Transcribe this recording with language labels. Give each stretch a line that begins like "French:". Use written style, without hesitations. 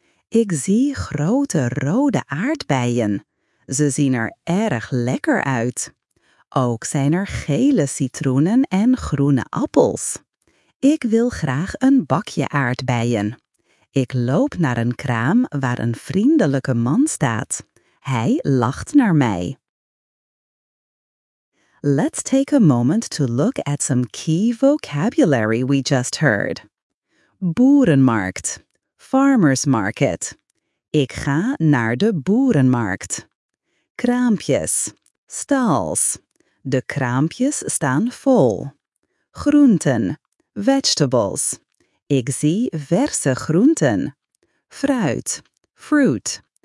Dutch: Ik zie grote rode aardbeien. Ze zien er erg lekker uit. Ook zijn er gele citroenen en groene appels. Ik wil graag een bakje aardbeien. Ik loop naar een kraam waar een vriendelijke man staat. Hij lacht naar mij.
English: Let's take a moment to look at some key vocabulary we just heard.
Dutch: Boerenmarkt.
English: Farmers market.
Dutch: Ik ga naar de boerenmarkt. Kraampjes.
English: Stalls.
Dutch: De kraampjes staan vol. Groenten.
English: Vegetables.
Dutch: Ik zie verse groenten. Fruit. Fruit.